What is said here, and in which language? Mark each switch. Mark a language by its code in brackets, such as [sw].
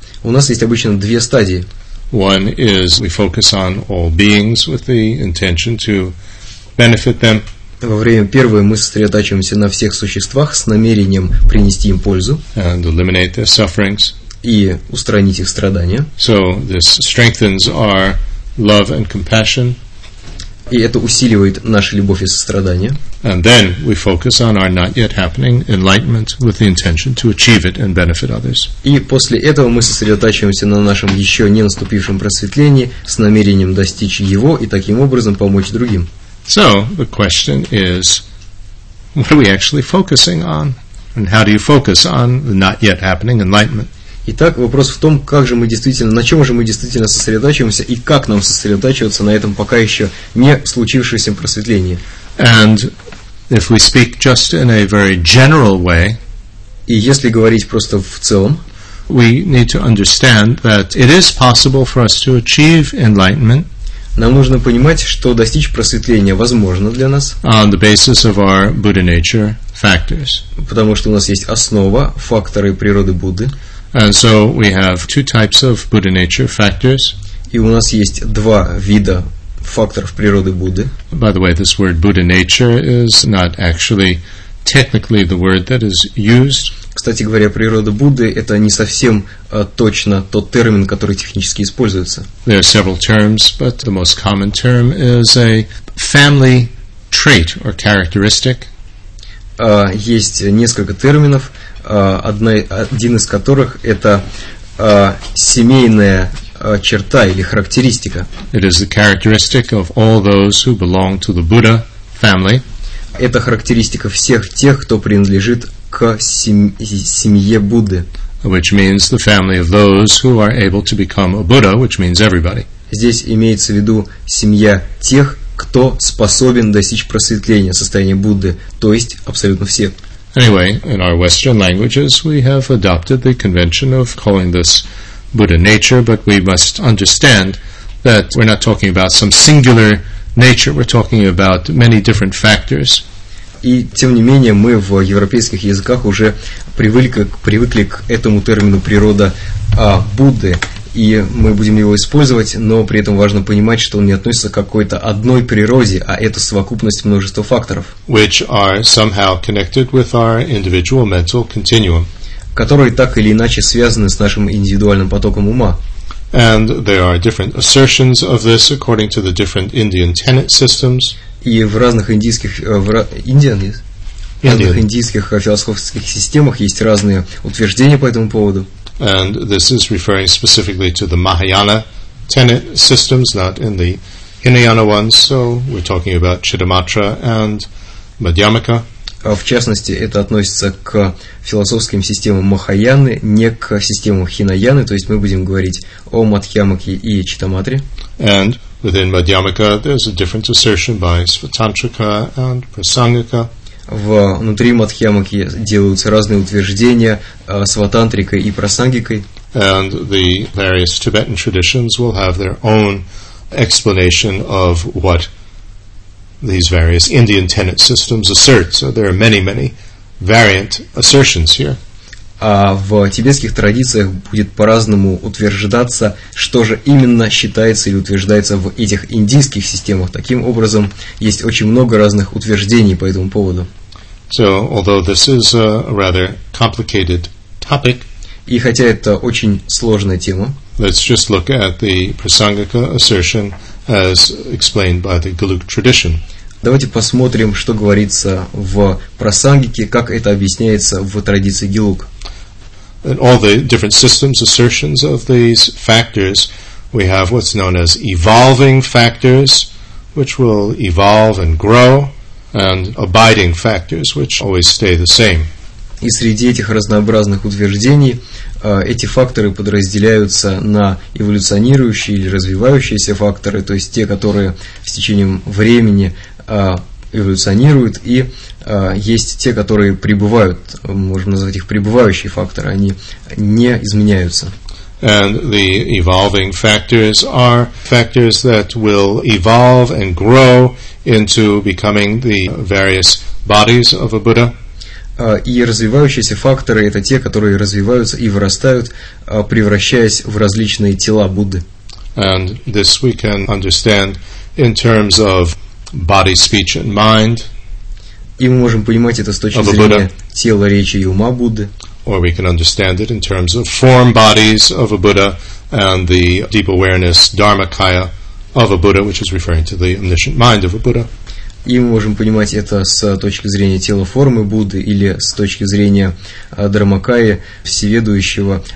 [ru] У нас есть обычно две стадии. [en] One is we focus on all beings with the intention to benefit them. [ru] Во время первой мы сосредотачиваемся на всех существах с намерением принести им пользу. [en] And eliminate their sufferings. [ru] И устранить их страдания. [en] So this strengthens our love and compassion. [ru] И это усиливает нашу любовь и сострадание. [en] And then we focus on our not yet happening enlightenment with the intention to achieve it and benefit others. [ru] И после этого мы сосредотачиваемся на нашем еще не наступившем просветлении с намерением достичь его и таким образом помочь другим. [en] So the question is, what are we actually focusing on? And how do you focus on the not yet happening enlightenment? [ru] Итак, вопрос в том, как же мы действительно, на чем же мы действительно сосредотачиваемся и как нам сосредотачиваться на этом пока еще не случившемся просветлении. [en] And if we speak just in a very general way, [ru] и если говорить просто в целом, [en] we need to understand that it is possible for us to achieve enlightenment. [ru] Нам нужно понимать, что достичь просветления возможно для нас. [en] On the basis of our Buddha nature factors. [ru] Потому что у нас есть основа, факторы природы Будды. [en] And so we have two types of Buddha nature factors. [ru] И у нас есть два вида факторов природы Будды. [en] By the way, this word Buddha nature is not actually technically the word that is used. [ru] Кстати говоря, природа Будды – это не совсем точно тот термин, который технически используется. [en] There are several terms, but the most common term is a family trait or characteristic. [ru] Есть несколько терминов. Один из которых это семейная черта или характеристика. [en] It is the characteristic of all those who belong to the Buddha family. [ru] Это характеристика всех тех, кто принадлежит к семье Будды. [en] Which means the family of those who are able to become a Buddha, which means everybody. [ru] Здесь имеется в виду семья тех, кто способен достичь просветления состояния Будды, то есть абсолютно все. [en] Anyway, in our Western languages, we have adopted the convention of calling this Buddha nature, but we must understand that we're not talking about some singular nature, we're talking about many different factors. [ru] И тем не менее, мы в европейских языках уже привыкли к этому термину природа Будды. И мы будем его использовать, но при этом важно понимать, что он не относится к какой-то одной природе, а это совокупность множества факторов, [en] which are somehow connected with our individual mental continuum, [ru] которые так или иначе связаны с нашим индивидуальным потоком ума. [en] And there are different assertions of this according to the different Indian tenet systems. [ru] И в разных индийских индийских философских системах есть разные утверждения по этому поводу. [en] And this is referring specifically to the Mahayana tenet systems, not in the Hinayana ones. So we're talking about Chittamatra and Madhyamaka. [ru] В частности, это относится к философским системам Махаяны, не к системам Хинаяны. То есть мы будем говорить о Мадхьямаке и Читтаматре. [en] And within Madhyamaka, there's a different assertion by Svatantrika and Prasangika. [ru] Внутри Мадхьямаки делаются разные утверждения сватантрикой и прасангикой. [en] And the various Tibetan traditions will have their own explanation of what these various Indian tenet systems assert. So there are many, many variant assertions here. [ru] А в тибетских традициях будет по-разному утверждаться, что же именно считается или утверждается в этих индийских системах. Таким образом, есть очень много разных утверждений по этому поводу. [en] So, although this is a rather complicated topic, [ru] и хотя это очень сложная тема, [en] let's just look at the Prasangika assertion as explained by the Galuk tradition. [ru] Давайте посмотрим, что говорится в Прасангике, как это объясняется в традиции Гилук. [en] In all the different systems, assertions of these factors, we have what's known as evolving factors, which will evolve and grow, and abiding factors, which always stay the same. [ru] И среди этих разнообразных утверждений эти факторы подразделяются на эволюционирующие или развивающиеся факторы, то есть те, которые в течение времени эволюционируют, и есть те, которые пребывают, можно назвать их пребывающие факторы, они не изменяются. [en] And the evolving factors are factors that will evolve and grow into becoming the various bodies of a Buddha. [ru] И развивающиеся факторы – это те, которые развиваются и вырастают, превращаясь в различные тела Будды. [en] And this we can understand in terms of body, speech and mind. [ru] И мы можем понимать это с точки зрения тела, речи и ума Будды. [en] Or we can understand it in terms of form bodies of a Buddha and the deep awareness, dharmakaya of a Buddha, which is referring to the omniscient mind of a Buddha. [ru] И мы можем понимать это с точки зрения тела формы Будды или с точки зрения Дармакая, всеведущего.